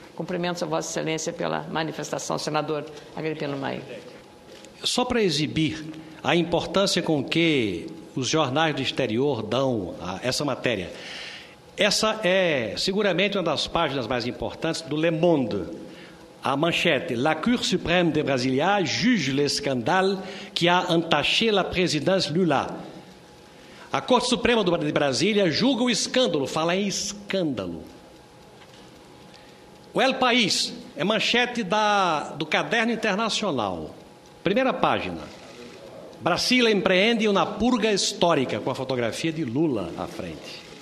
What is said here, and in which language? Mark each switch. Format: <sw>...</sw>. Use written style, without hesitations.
<pt>Cumprimentos a Vossa Excelência pela manifestação, senador Agripino Maia. Só para exibir a importância com que os jornais do exterior dão a essa matéria, essa é seguramente uma das páginas mais importantes do Le Monde. A manchete,</pt> <fr>La Cour Suprême de Brasilia juge l'escandale qui a entaché la présidence Lula.</fr> <pt>A Corte Suprema de Brasília julga o escândalo, fala em escândalo. O El País é manchete do Caderno Internacional. Primeira página. Brasília empreende uma purga histórica com a fotografia de Lula à frente.</pt>